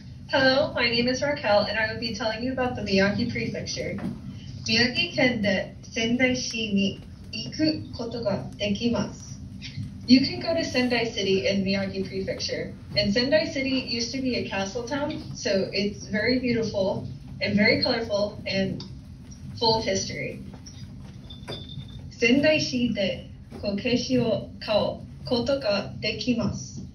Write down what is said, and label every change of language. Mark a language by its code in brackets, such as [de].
[en] Hello, my name is Raquel, and I will be telling you about the Miyagi Prefecture. [ja] 宮城県で仙台市に行くことができます。 [en] You can go to Sendai City in Miyagi Prefecture. And Sendai City used to be a castle town, so it's very beautiful and very colorful and full of history. [ja] Sendai City でこけしを買うことができます。